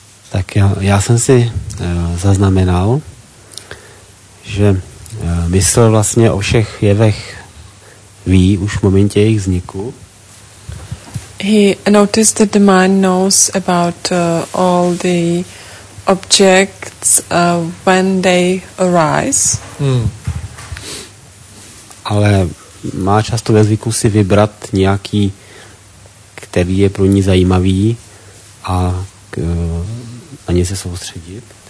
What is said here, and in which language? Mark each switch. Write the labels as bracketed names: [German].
[Czech] Tak já jsem si zaznamenal, že mysl vlastně o všech jevech ví už v momentě jejich vzniku. [English] He noticed that the mind knows about all the objects when they arise. Hmm. [Czech] Ale má často ve zvyku si vybrat nějaký, který je pro ní zajímavý a na ně se soustředit.